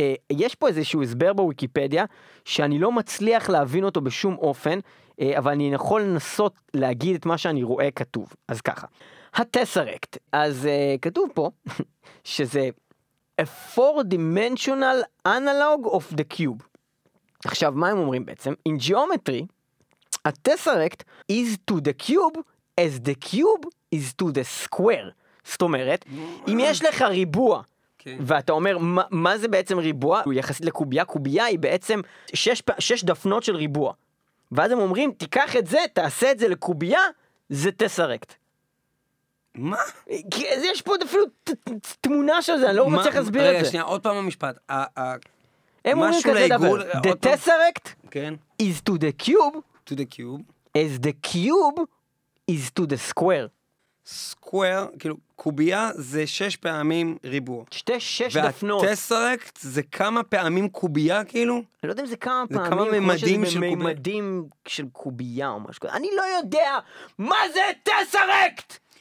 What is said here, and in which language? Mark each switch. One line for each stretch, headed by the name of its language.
Hebrew: יש פה איזשהו הסבר בוויקיפדיה שאני לא מצליח להבין אותו בשום אופן, אבל אני יכול לנסות להגיד את מה שאני רואה כתוב. אז ככה, הטסרקט, אז כתוב פה שזה
English: a four dimensional analog of the cube.
Hebrew: עכשיו מה הם אומרים בעצם?
English: In geometry, הטסרקט is to the cube as the cube is to the square.
Hebrew: זאת אומרת, אם יש לך ריבוע Okay. ואתה אומר, מה זה בעצם ריבוע? הוא יחסית לקוביה, קוביה היא בעצם שש דפנות של ריבוע. ואז הם אומרים, תיקח את זה, תעשה את זה לקוביה, זה טסרקט. מה? כי יש פה אפילו תמונה של זה, אני לא רוצה להסביר את זה. רגע, שנייה, עוד פעם המשפט. הם אומרים כזה דבר,
English: the tesseract is to the cube, to the cube, as the cube is to the square.
Hebrew: סקוור, כאילו קוביה זה שש פעמים ריבוע. שתי שש דפנות. והטסרקט זה כמה פעמים קוביה כאילו? אני לא יודע אם זה כמה פעמים. זה כמה ממדים של קוביה. ממדים של קוביה או משהו. אני לא יודע מה זה טסרקט!